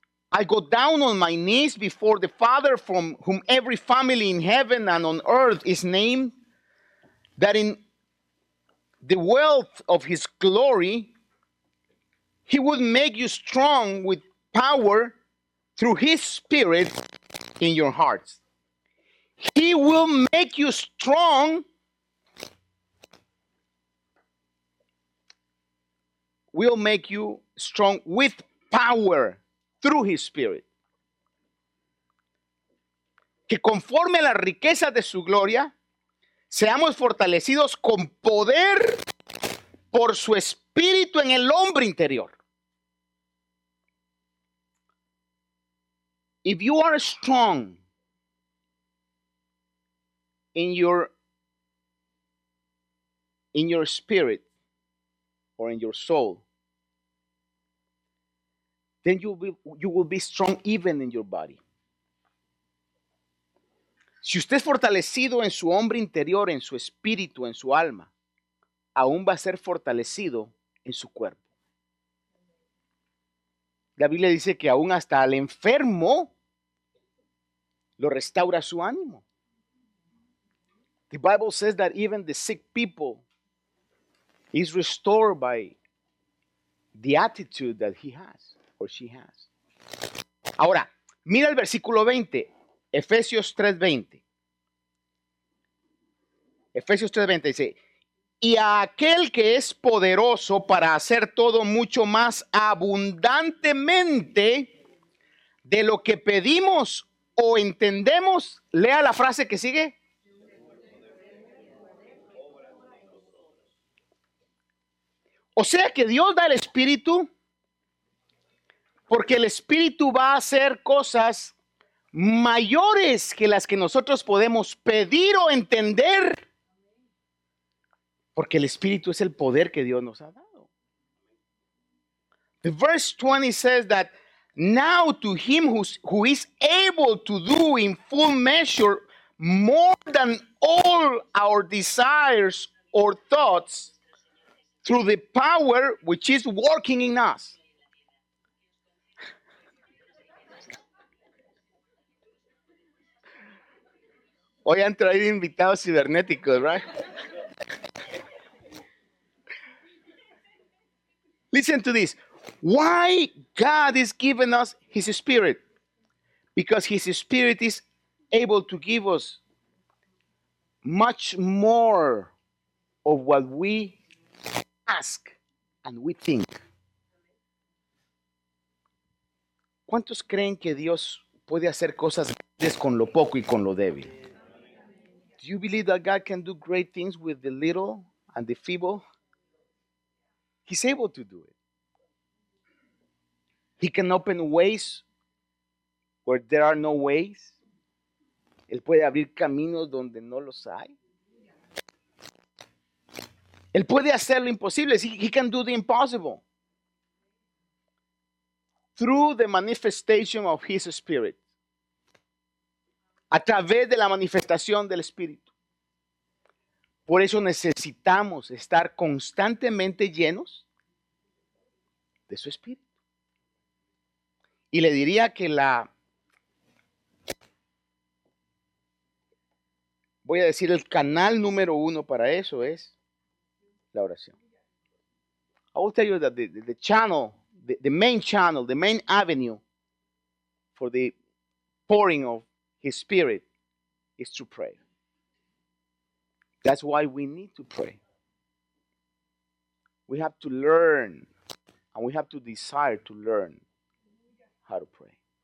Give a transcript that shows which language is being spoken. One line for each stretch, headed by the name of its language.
English: I go down on my knees before the Father, from whom every family in heaven and on earth is named, that in the wealth of his glory, he would make you strong with power through his Spirit in your hearts. He will make you strong will make you strong with power through his Spirit.
Spanish: Que conforme a la riqueza de su gloria, seamos fortalecidos con poder por su Espíritu en el hombre interior.
English: If you are strong in your in your spirit or in your soul, then you will be strong even in your body.
Spanish: Si usted es fortalecido en su hombre interior, en su espíritu, en su alma, aún va a ser fortalecido en su cuerpo. La Biblia dice que aún hasta al enfermo lo restaura su ánimo.
English: The Bible says that even the sick people is restored by the attitude that he has or she has.
Spanish: Ahora, mira el versículo 20, Efesios 3:20. Efesios 3:20 dice, y a aquel que es poderoso para hacer todo mucho más abundantemente de lo que pedimos o entendemos, lea la frase que sigue. O sea que Dios da el Espíritu porque el Espíritu va a hacer cosas mayores que las que nosotros podemos pedir o entender. Porque el Espíritu es el poder que Dios nos ha dado.
English: The verse 20 says that now to him who is able to do in full measure more than all our desires or thoughts, through the power which is working in us.
Spanish: Hoy han traído invitados cibernéticos, right?
English: Listen to this. Why God is giving us his spirit? Because his spirit is able to give us much more of what we ask and we think.
Spanish: ¿Cuántos creen que Dios puede hacer cosas grandes con lo poco y con lo débil?
English: Do you believe that God can do great things with the little and the feeble? He's able to do it. He can open ways where there are no ways.
Spanish: Él puede abrir caminos donde no los hay. Él puede hacer lo imposible.
English: He can do the impossible. Through the manifestation of his spirit.
Spanish: A través de la manifestación del Espíritu. Por eso necesitamos estar constantemente llenos de su Espíritu. Y le diría que el canal número uno para eso es la oración.
English: I will tell you that the main channel, the main avenue for the pouring of his spirit is to pray. That's why we need to pray. We have to learn and we have to desire to learn how to pray.